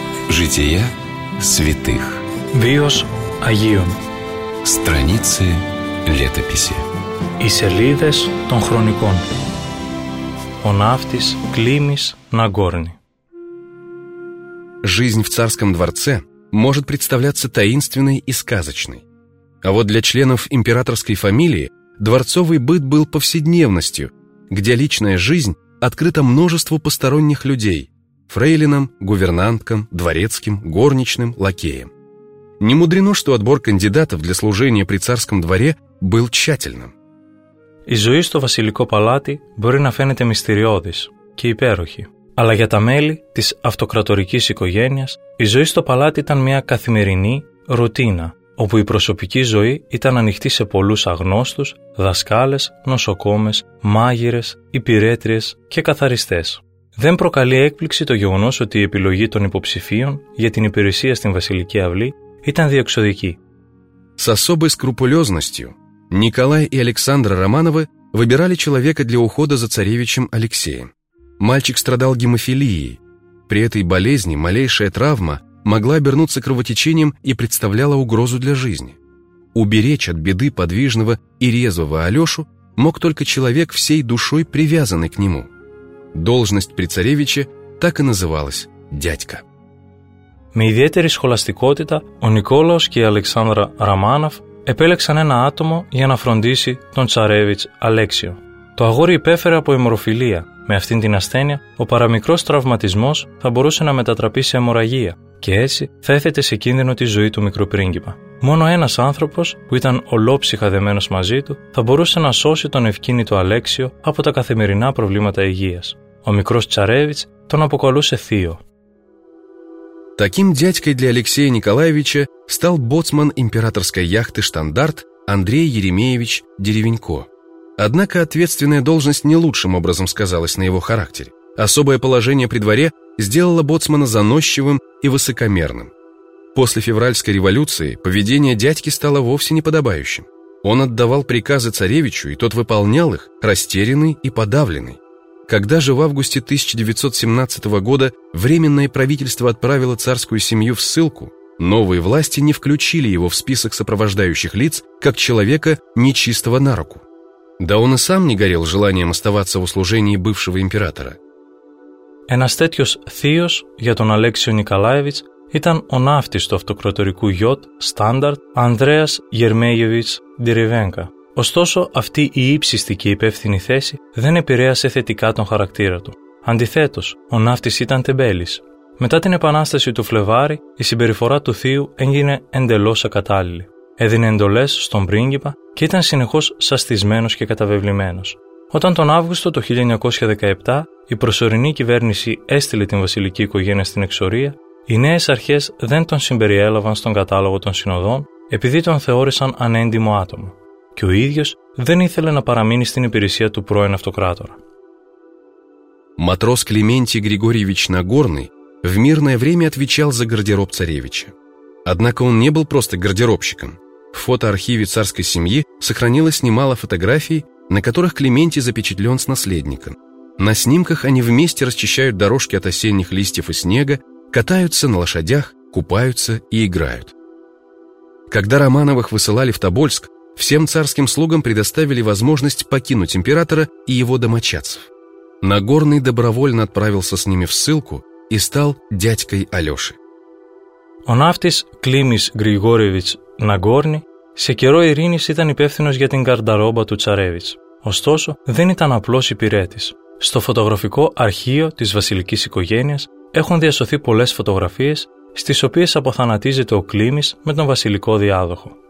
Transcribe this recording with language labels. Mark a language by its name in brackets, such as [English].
[Russian] Жития святых. [Greek] Βίος Αγίων. [Russian] Страницы летописи. [Greek] Οι σελίδες των χρονικών. Ο ναύτης Κλήμης Ναγκόρνη. [Russian] Жизнь в царском дворце может представляться таинственной и сказочной. А вот для членов императорской фамилии дворцовый быт был повседневностью, где личная жизнь открыта множеству посторонних людей – фрейлинам, гувернанткам, дворецким, горничным, лакеям. Не мудрено, что отбор кандидатов для служения при царском дворе был тщательным. [Greek] Η ζωή στο βασιλικό παλάτι μπορεί να φαίνεται μυστηριώδης και υπέροχη, αλλά για τα μέλη της αυτοκρατορικής οικογένειας η ζωή στο παλάτι ήταν μια καθημερινή ρουτίνα, όπου η προσωπική ζωή ήταν ανοιχτή σε πολλούς αγνώστους, δασκάλες, νοσοκόμες, μάγειρες, υπηρέτριες και καθαριστές. Δεν προκαλεί έκπληξη το γεγονός ότι η επιλογή των υποψηφίων για την υπηρεσία στην Βασιλική Αυλή ήταν διεξοδική. [Russian] С особой скрупулезностью Николай и Александра Романовы выбирали человека для ухода за царевичем Алексеем. Мальчик страдал гемофилией. При этой болезни малейшая травма могла обернуться кровотечением и представляла угрозу для жизни. Уберечь от беды подвижного и резвого Алешу мог только человек, всей душой привязанный к нему. Должность при царевиче так и называлась – дядька. [Greek] Με ιδιαίτερη σχολαστικότητα, ο Νικόλαος και η Αλεξάνδρα Ραμάνοφ επέλεξαν ένα άτομο για να φροντίσει τον Τσαρέβιτς Αλέξιο. Το αγόρι υπέφερε από αιμορροφιλία. Με αυτήν την ασθένεια, ο παραμικρός τραυματισμός θα μπορούσε να μετατραπεί σε αιμορραγία και έτσι θα έθετε σε κίνδυνο τη ζωή του μικροπρίγκιπα. Μόνο ένας άνθρωπος, που ήταν ολόψυχα δεμένος μαζί του, θα μπορούσε να σώσει τον ευκίνητο Αλέξιο από τα καθημερινά προβλήματα υγείας. Ο μικρός Τσαρέβιτς τον αποκαλούσε θείο. [Russian] Таким дядькой для Алексея Николаевича стал боцман императорской яхты «Штандарт» Андрей Еремеевич Деревенько. Однако ответственная должность не лучшим образом сказалась на его характере. Особое положение при дворе сделало боцмана заносчивым и высокомерным. После февральской революции поведение дядьки стало вовсе неподобающим. Он отдавал приказы царевичу, и тот выполнял их, растерянный и подавленный. Когда же в августе 1917 года Временное правительство отправило царскую семью в ссылку, новые власти не включили его в список сопровождающих лиц как человека нечистого на руку. Да он и сам не горел желанием оставаться в услужении бывшего императора. [Greek] Ένας τέτοιος θείος για τον Αλέξιο Νικολάεβιτς ήταν ο ναύτης του αυτοκρατορικού γιότ Στάνταρτ Ανδρέας Γερμέγεβιτς Ντιρεβένκα. Ωστόσο, αυτή η ύψιστη και υπεύθυνη θέση δεν επηρέασε θετικά τον χαρακτήρα του. Αντιθέτως, ο ναύτης ήταν τεμπέλης. Μετά την επανάσταση του Φλεβάρη, η συμπεριφορά του θείου έγινε εντελώς ακατάλληλη. Έδινε εντολές στον πρίγκιπα και ήταν συνεχώς σαστισμένος και καταβεβλημένος. Όταν τον Αύγουστο το 1917 η προσωρινή κυβέρνηση έστειλε την βασιλική οικογένεια στην εξορία, οι νέες αρχές δεν τον συμπεριέλαβαν στον κατάλογο των συνοδών επειδή τον θεώρησαν ανέντιμο άτομο. Και ο ίδιος δεν ήθελε να παραμείνει στην υπηρεσία του πρώην αυτοκράτορα. [Russian] Матрос Клементий Григорьевич Нагорный в мирное время отвечал за гардероб царевича. Однако он не был просто гардеробщиком. В фотоархиве царской семьи сохранилось немало фотографий, на которых Клементий запечатлен с наследником. На снимках они вместе расчищают дорожки от осенних листьев и снега, катаются на лошадях, купаются и играют. Когда Романовых высылали в Тобольск, всем царским слугам предоставили возможность покинуть императора и его домочадцев. Нагорный добровольно отправился с ними в ссылку и стал дядькой Алёши. [Greek] Ο ναύτης Κλήμης Γρηγόριεβιτς Ναγκόρνη σε καιρό ειρήνης ήταν υπεύθυνος για την καρνταρόμπα του Τσαρέβιτς. Ωστόσο, δεν ήταν απλός υπηρέτης. Στο φωτογραφικό αρχείο της βασιλικής οικογένειας έχουν διασωθεί πολλές φωτογραφίες στις οποίες αποθανατίζεται ο Κλήμης με τον βασιλικό διάδοχο.